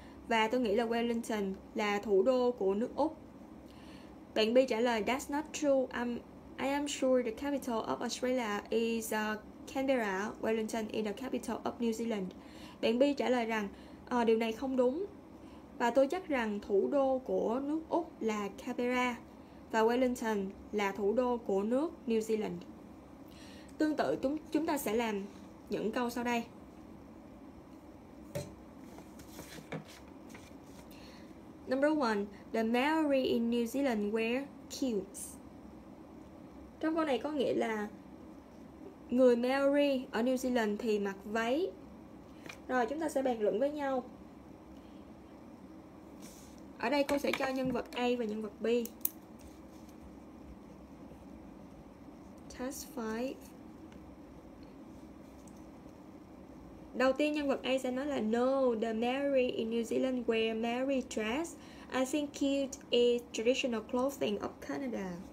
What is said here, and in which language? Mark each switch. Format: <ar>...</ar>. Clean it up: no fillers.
<vi>Và tôi nghĩ là Wellington là thủ đô của nước Úc. Bạn B trả lời,</vi> <en>that's not true. I am sure the capital of Australia is Canberra. Wellington is the capital of New Zealand.</en> <vi>Bạn B trả lời rằng, điều này không đúng. Và tôi chắc rằng thủ đô của nước Úc là Canberra. Và Wellington là thủ đô của nước New Zealand. Tương tự, chúng ta sẽ làm những câu sau đây.</vi> <en>Number 1. The Maori in New Zealand wear kilts.</en> <vi>Trong câu này có nghĩa là người Maori ở New Zealand thì mặc váy. Rồi, chúng ta sẽ bàn luận với nhau. Ở đây cô sẽ cho nhân vật A và nhân vật B.</vi> <en>Task 5.</en> <vi>Đầu tiên nhân vật A sẽ nói là</vi> <en>no, the Maori in New Zealand wear Maori dress. I think kilt is traditional clothing of Canada.</en>